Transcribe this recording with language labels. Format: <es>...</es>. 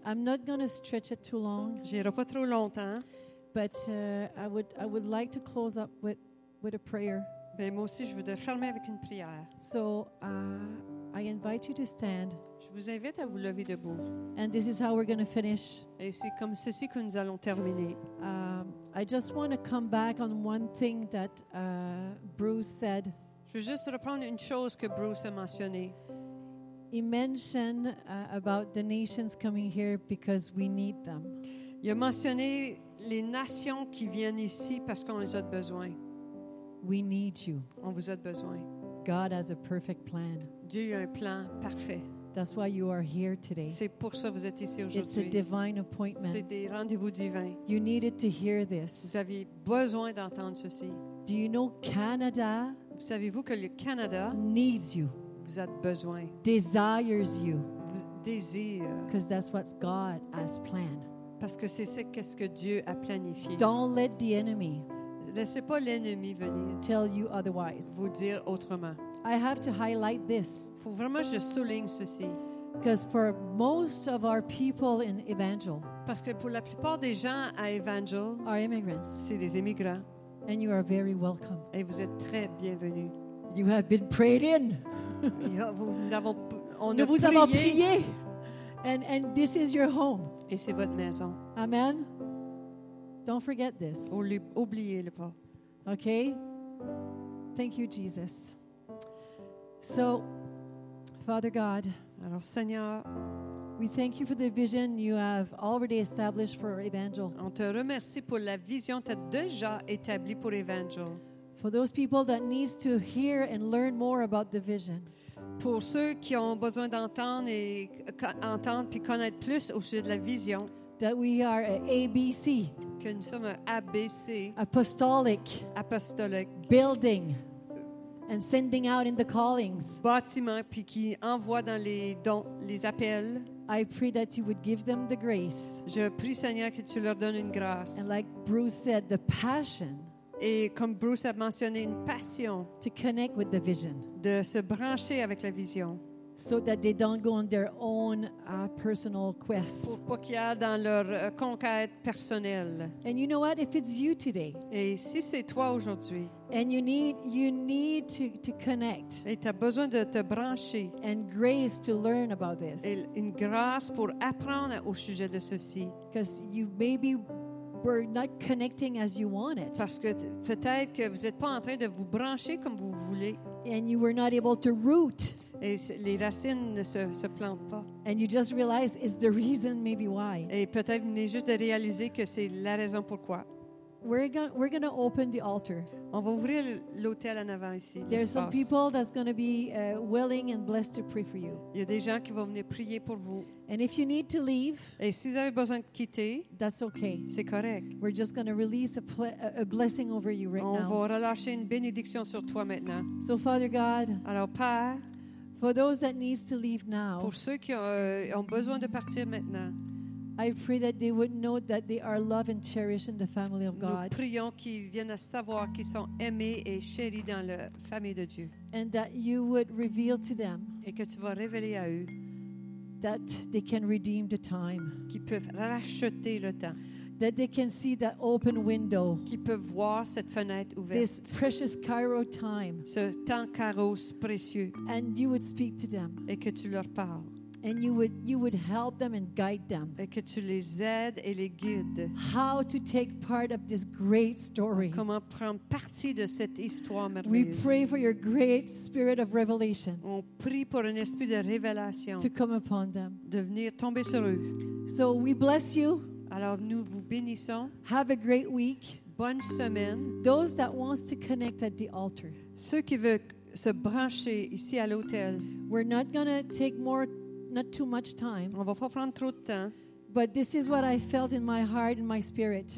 <en>I'm not going to stretch it too long.</en> <fr>J'irai pas trop longtemps.</fr> <en>But I would like to close up with a prayer.</en> <fr>Mais moi aussi, je voudrais fermer avec une prière.</fr> <en>So I invite you to stand.</en> <fr>Je vous invite à vous lever debout.</fr> <en>And this is how we're going to finish.</en> <fr>Et c'est comme ceci que nous allons terminer.</fr> <en>I just want to come back on one thing that Bruce said.</en> <fr>Je veux juste reprendre une chose que Bruce a mentionné.</fr> <en>He mentioned about the nations coming here because we need them.</en> <fr>Il a mentionné les nations qui viennent ici parce qu'on les a besoin.</fr> <en>We need you.</en> <fr>On vous a besoin.</fr> <en>God has a perfect plan.</en> <fr>Dieu a un plan parfait.</fr> <en>That's why you are here today.</en> <fr>C'est pour ça que vous êtes ici aujourd'hui.</fr> <en>It's a divine appointment.</en> <fr>C'est des rendez-vous divins.</fr> <en>You needed to hear this.</en> <fr>Vous aviez besoin d'entendre ceci.</fr> <en>Do you know Canada?</en> <fr>Savez-vous que le Canada</fr> <en>needs you?</en> <fr>Vous avez besoin.</fr> <en>Desires you.</en> <fr>Vous désire.</fr> <en>Because that's what God has planned.</en> <fr>Parce que c'est ce qu'est-ce que Dieu a planifié.</fr> <en>Don't let the enemy.</en> <fr>Laissez pas l'ennemi venir.</fr> <en>Tell you otherwise.</en> <fr>Vous dire autrement.</fr> <en>I have to highlight this.</en> <fr>Faut vraiment je souligne ceci.</fr> <en>Because for most of our people in Evangel,</en> <fr>parce que pour la plupart des gens à Evangel,</fr> <en>are immigrants.</en> <fr>C'est des immigrants.</fr> <en>And you are very welcome.</en> <fr>Et vous êtes très bienvenus.</fr> <en>You have been prayed in.</en> <fr>Nous avons prié.</fr> <en>And this is your home.</en> <fr>Et c'est votre maison.</fr> <en>Amen. Don't forget this.</en> <fr>Oubliez-le pas.</fr> <en>Okay. Thank you, Jesus. So, Father God.</en> <fr>Alors, Seigneur,</fr> <en>we thank you for the vision you have already established for Evangel.</en> <fr>On te remercie pour la vision que tu as déjà établie pour Evangel.</fr> <en>For those people that need to hear and learn more about the vision.</en> <fr>Pour ceux qui ont besoin d'entendre et entendre puis connaître plus au sujet de la vision.</fr> <en>That we are an ABC.</en> <fr>Que nous sommes un ABC.</fr> <en>Apostolic. Building. And sending out in the callings.</en> <fr>Bâtiment puis qui envoie dans les dons, les appels.</fr> <en>I pray that you would give them the grace.</en> <fr>Je prie Seigneur que tu leur donnes une grâce.</fr> <en>And like Bruce said, the passion.</en> <fr>Et comme Bruce a mentionné, une passion.</fr> <en>To connect with the vision.</en> <fr>De se brancher avec la vision.</fr> <en>So that they don't go on their own personal quest.</en> <fr>Pour pas qu'ils aillent dans leur conquête personnelle.</fr> <en>And you know what? If it's you today.</en> <fr>Et si c'est toi aujourd'hui.</fr> <en>And you need to connect.</en> <fr>Et t'as besoin de te brancher.</fr> <en>And grace to learn about this.</en> <fr>Et une grâce pour apprendre au sujet de ceci.</fr> <en>Because you maybe were not connecting as you want it.</en> <fr>Parce que peut-être que vous êtes pas en train de vous brancher comme vous voulez.</fr> <en>And you were not able to root.</en> <fr>Et les racines ne se plantent pas.</fr> <en>And you just realize it's the reason maybe why.</en> <fr>Et peut-être venez juste de réaliser que c'est la raison pourquoi.</fr> <en>We're gonna open the altar.</en> <fr>On va ouvrir l'autel en avant ici.</fr> <en>There's some people that's gonna be willing and blessed to pray for you.</en> <fr>Il y a des gens qui vont venir prier pour vous.</fr> <en>And if you need to leave,</en> <fr>et si vous avez besoin de quitter,</fr> <en>that's okay.</en> <fr>C'est correct.</fr> <en>We're just gonna release a blessing over you right</en> <fr>on</fr> <en>now.</en> <fr>On va relâcher une bénédiction sur toi maintenant.</fr> <en>So Father God.</en> <fr>Alors Père.</fr> <en>For those that needs to leave now.</en> <fr>Pour ceux qui ont besoin de partir maintenant.</fr> <en>I pray that they would know that they are loved and cherished in the family of God.</en> <fr>Nous prions qu'ils viennent à savoir qu'ils sont aimés et chéris dans la famille de Dieu.</fr> <en>And that you would reveal to them.</en> <fr>Et que tu vas révéler à eux.</fr> <en>That they can redeem the time.</en> <fr>Qu'ils peuvent racheter le temps.</fr> <en>That they can see that open window.</en> <fr>Qu'ils peuvent voir cette fenêtre ouverte.</fr> <en>This precious Kairos time.</en> <fr>Ce temps Kairos précieux.</fr> <en>And you would speak to them.</en> <fr>Et que tu leur parles.</fr> <en>And you would help them and guide them.</en> <fr>Et que tu les aides et les guides.</fr> <en>How to take part of this great story.</en> <fr>Comment prendre partie de cette histoire merveilleuse.</fr> <en>We pray for your great spirit of revelation.</en> <fr>On prie pour un esprit de révélation.</fr> <en>To come upon them.</en> <fr>De venir tomber sur eux.</fr> <en>So we bless you.</en> <fr>Alors nous vous bénissons.</fr> <en>Have a great week.</en> <fr>Bonne semaine.</fr> <en>Those that wants to connect at the altar.</en> <fr>Ceux qui veulent se brancher ici à l'autel.</fr> <en>We're not gonna take more. Not too much time.</en> <fr>On va pas prendre trop de temps.</fr> <en>But this is what I felt in my heart and my spirit.</en>